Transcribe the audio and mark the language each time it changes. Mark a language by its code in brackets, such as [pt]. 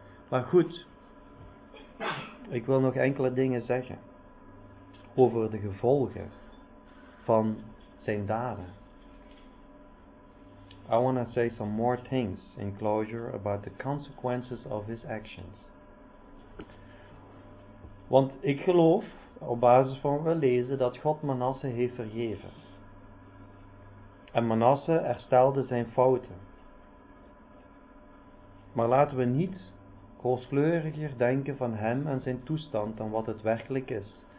[nl] Maar goed, ik wil nog enkele dingen zeggen over de gevolgen van zijn daden. [en] I want to say some more things in closure about the consequences of his actions. [nl] Want ik geloof, op basis van wat we lezen, dat God Manasse heeft vergeven. En Manasse herstelde zijn fouten. Maar laten we niet rooskleuriger denken van hem en zijn toestand dan wat het werkelijk is.